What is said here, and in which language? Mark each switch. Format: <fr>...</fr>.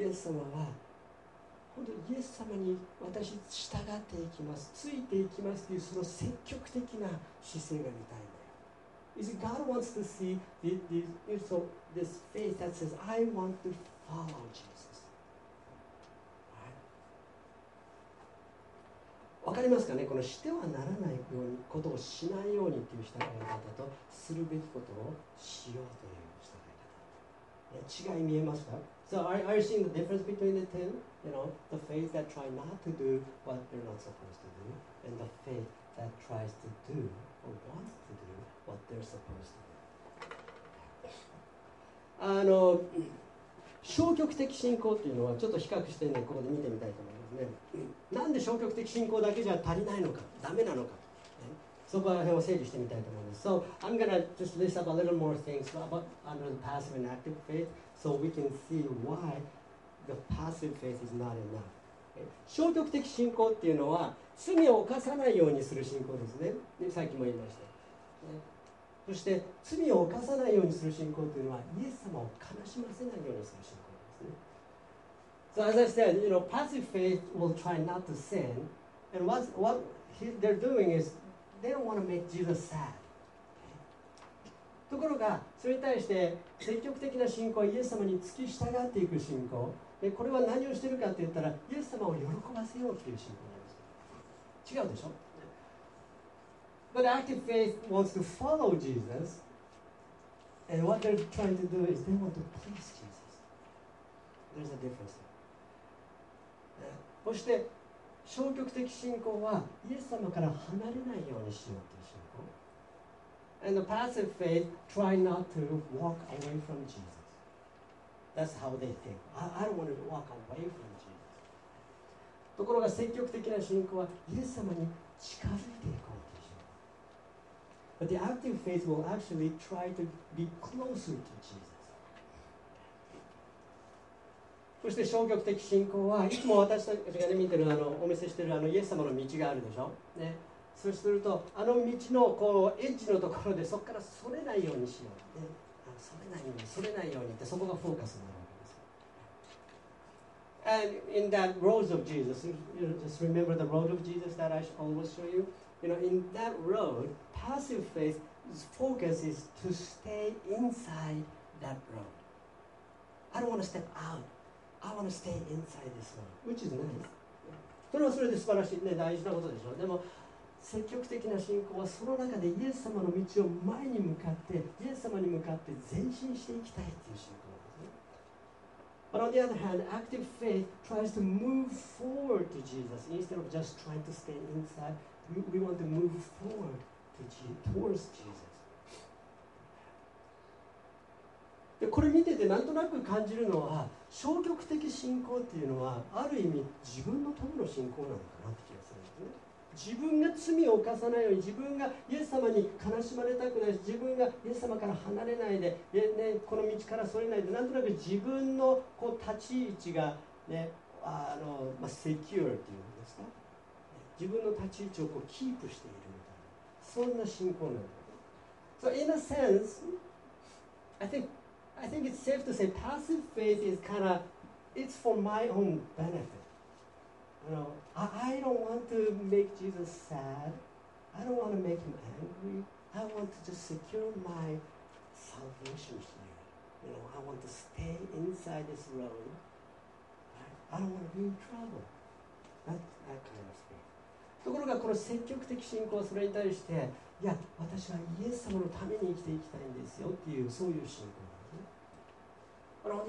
<ja>イエス様はイエス様に私従っていきます、ついていきますというその積極的な姿勢が見たいんだよ。</ja> <en>Is God wants to see this faith that says, I want to follow Jesus.</en> <ja>わかりますかね、このしてはならないようにことをしないようにという従い方と、するべきことをしようという従い方。違い見えますか</ja> <en>So are you seeing the difference between the two? You know, the faith that try not to do what they're not supposed to do, and the faith that tries to do or wants to do what they're supposed to do.</en> <ja>消極的信仰というのはちょっと比較してね、ここで見てみたいと思いますね。なんで消極的信仰だけじゃ足りないのか、ダメなのか、ね、そこら辺を整理してみたいと思います。</ja> <en>So I'm gonna just list up a little more things about under the passive and active faith, so we can see why the passive faith is not enough.</en> <ja>消極的信仰っていうのは罪を犯さないようにする信仰ですね。でさっきも言いました。そして罪を犯さないようにする信仰というのはイエス様を悲しませないようにする信仰ですね。</ja> <en>So as I said, you know, passive faith will try not to sin. And what they're doing is they don't want to make Jesus sad.</en> <ja>ところがそれに対して積極的な信仰、イエス様に付き従っていく信仰、でこれは何をしているかって言ったらイエス様を喜ばせようという信仰なんです。違うでしょ。</ja> <en>But active faith wants to follow Jesus, and what they're trying to do is they want to please Jesus. There's a difference.</en> <ja>そして消極的信仰はイエス様から離れないようにしようという信仰。</ja> <en>And the passive faith try not to walk away from Jesus. That's how they think. I don't want to walk away from Jesus.</en> <ja>ところが積極的な信仰はイエス様に近づいていく。</ja> <en>But the active faith will actually try to be closer to Jesus.</en> <ja>そして消極的信仰はいつも私たちが、ね、見てるあのお見せしてるあのイエス様の道があるでしょ、ね、そうするとあの道のこうエッジのところでそこからそれないようにしよう、ね、それないようにそれないようにってそこがフォーカスになるわけです。</ja> <en>And in that road of Jesus, you just remember the road of Jesus that I always show you. You know, in that road, passive faith's focus is to stay inside that road. I don't want to step out. I want to stay inside this road, which is nice.</en> <ja>それはそれで素晴らしい、ね、大事なことでしょう。でも、積極的な信仰はその中でイエス様の道を前に向かって、イエス様に向かって前進していきたいという信仰ですね。</ja> <en>But on the other hand, active faith tries to move forward to Jesus instead of just trying to stay inside. We want to move forward to towards Jesus.</en> <ja>でこれ見ててなんとなく感じるのは消極的信仰っていうのはある意味自分のための信仰なのかなって気がするんですね。自分が罪を犯さないように自分がイエス様に悲しまれたくないし自分がイエス様から離れないで、ね、この道からそれないでなんとなく自分のこう立ち位置が、ね、あのまあ、セキュアっていうんですか自分の立ち位置をこうキープしているみたいな、そんな信仰なんだ。</ja> <en>So in a sense, I think it's safe to say passive faith is kind of, it's for my own benefit. You know, I don't want to make Jesus sad. I don't want to make him angry. I want to just secure my salvation here. You know, I want to stay inside this road. I don't want to be in trouble. That kind of thing.</en> <ja>ところがこの積極的信仰はそれに対していや私はイエス様のために生きていきたいんですよっていうそういう信仰なんですね。</ja>